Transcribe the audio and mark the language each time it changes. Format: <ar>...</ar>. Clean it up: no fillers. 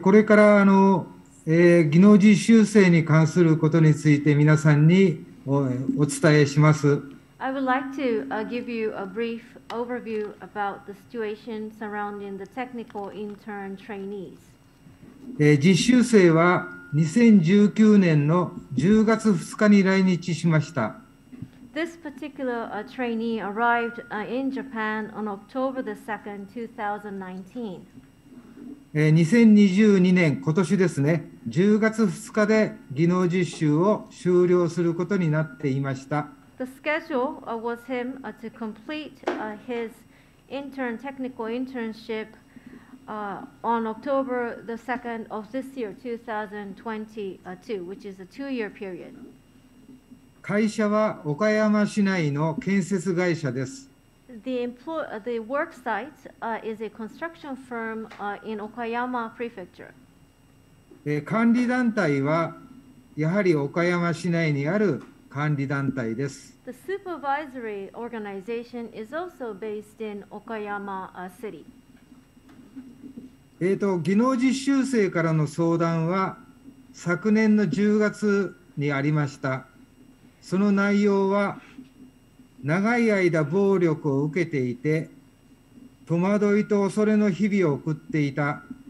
<ja>これから技能実習生に関することについて皆さんにお伝えします。</ja> <en>I would like to give you a brief overview about the situation surrounding the technical intern trainees.</en> <ja>実習生は2019年の10月2日に来日しました。</ja> <en>This particular trainee arrived in Japan on October the 2nd, 2019.</en> <ja>2022年、今年ですね、10月2日で技能実習を終了することになっていました。</ja> <en>The schedule was him to complete his intern, technical internship on October the 2nd of this year, 2022, which is a two-year period.</en> <ja>会社は岡山市内の建設会社です。</ja> <en>The work site is a construction firm in Okayama Prefecture.</en> <ja>管理団体はやはり岡山市内にある管理団体です。</ja> <en>The supervisory organization is also based in Okayama City.</en> <ja>技能実習生からの相談は昨年の10月にありました。その内容は長い間暴力を受けていて戸惑いと恐れの日々を送っていた。</ja>